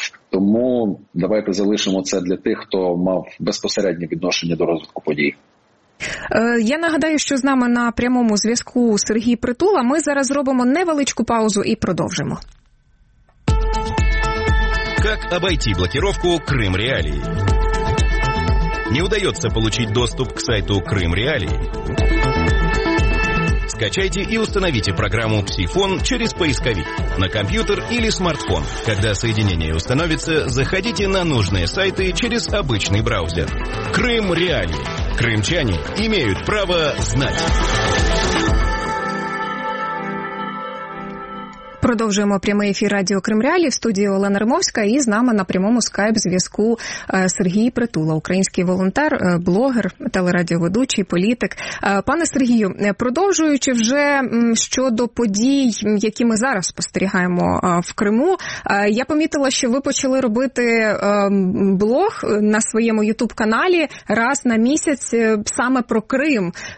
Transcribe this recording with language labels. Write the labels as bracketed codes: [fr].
[uk] Тому давайте залишимо це для тих, хто мав безпосереднє відношення до розвитку подій. Я нагадаю, що з нами на прямому зв'язку Сергій Притула. Ми зараз зробимо невеличку паузу і продовжимо. Як обійти блокировку «Крим Реалії»? [ru] Не удается получить доступ к сайту «Крым Реалии»? Скачайте и установите программу «Псифон» через поисковик на компьютер или смартфон. Когда соединение установится, заходите на нужные сайты через обычный браузер. «Крым Реалии». Крымчане имеют право знать. [uk] Продовжуємо прямий ефір радіо «Крим Реалі» в студії Олена Римовська і з нами на прямому скайп-зв'язку Сергій Притула, український волонтер, блогер, телерадіоведучий, політик. Пане Сергію, продовжуючи вже щодо подій, які ми зараз спостерігаємо в Криму, я помітила, що ви почали робити блог на своєму ютуб-каналі раз на місяць саме про Крим.